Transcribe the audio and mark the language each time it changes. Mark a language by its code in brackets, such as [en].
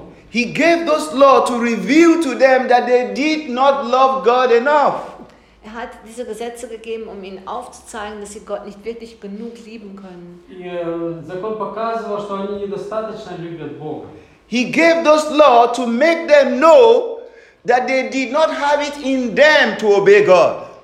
[en] He gave those laws to reveal to them that they did not love God enough. [de] Er hat diese Gesetze gegeben, um ihnen aufzuzeigen, dass sie Gott nicht wirklich genug lieben können. [ru] Закон показывал, что они недостаточно любят Бога. [en] He gave those laws to make them know that they did not have it in them to obey God.